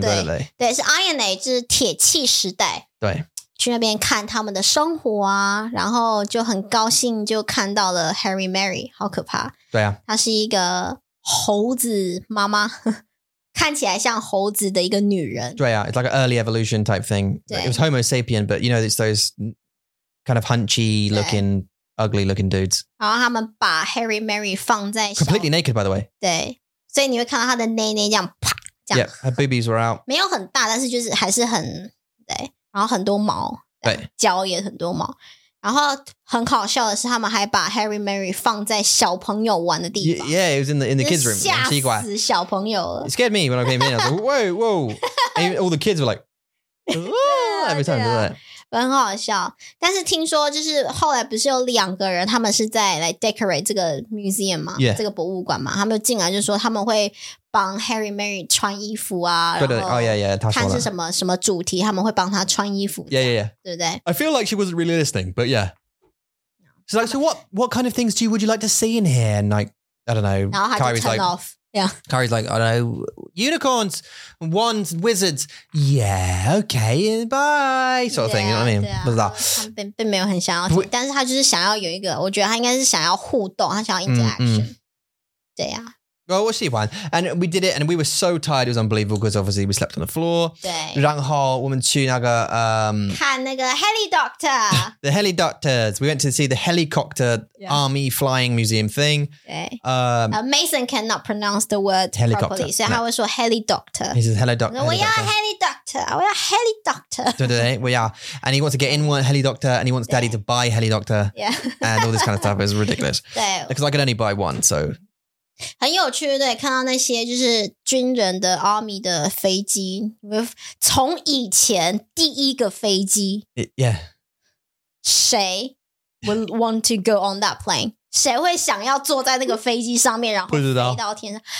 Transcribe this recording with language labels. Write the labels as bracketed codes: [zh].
[zh] 对, 对, 对是 Iron Age 是铁器时代对去那边看他们的生活啊然后就很高兴就看到了 Harry Mary 好可怕对啊她是一个猴子妈妈看起来像猴子的一个女人对啊 [en] It's like an early evolution type thing It was Homo sapien But you know it's those kind of hunchy lookingugly looking dudes. [zh] 然后他们把 Harry Mary 放在 [en] completely naked by the way. [zh] 对。所以你会看到他的内内这样啪这样。 [en] Yeah, her boobies were out. [zh] 没有很大但是就是还是很对。然后很多毛。对。脚也很多毛。然后很好笑的是他们还把 Harry Mary 放在小朋友玩的地方。 [en] Yeah, it was in the kids room. [zh] 吓死小朋友了。 [en] It scared me when I came in. I was like, whoa, whoa. And all the kids were like, every time, [zh] 对不对？很好笑，但是听说就是后来不是有两个人，他们是在来 decorate 这个 museum 嘛， [en] yeah. [zh] 这个博物馆嘛，他们进来就说他们会帮 Harry Mary 穿衣服啊，对对，哦耶耶，他说看是什么什么主题，他们会帮他穿衣服 [en] ，yeah yeah yeah， [zh] 对不对 [en] ？I feel like she wasn't really listening, but yeah. She's like, so what kind of things do you, would you like to see in here? And like, I don't know. Now Kari's like, off. Yeah. Kari's like, I don't know, unicorns, wands, wizards. Yeah, okay, bye. Sort of yeah, thing, you know what I mean? Yeah, [zh] 并没有很想要听,但是他就是想要有一个,我觉得他应该是想要互动,他想要interaction. [en] Well, we'll see, Juan. And we did it, and we were so tired, it was unbelievable, because obviously we slept on the floor. 然后我们去那个...看那个heli doctor. The heli doctors. We went to see the helicopter yeah. army flying museum thing. Mason cannot pronounce the word helicopter, properly. So I was saying heli doctor. He says heli doctor. We are heli doctor. We are heli doctor. [zh] 对对对, [en] we are. And he wants to get in one heli doctor, and he wants daddy to buy heli doctor. Yeah. And all this kind of stuff is ridiculous. [zh] 对, [en] because I can only buy one, so... [zh] 很有趣,对,看到那些就是军人的 army 的飞机, 从以前第一个飞机, [en] yeah. [zh] 谁 [en] would want to go on that plane? [zh] 谁会想要坐在那个飞机上面, 然后飞到天上?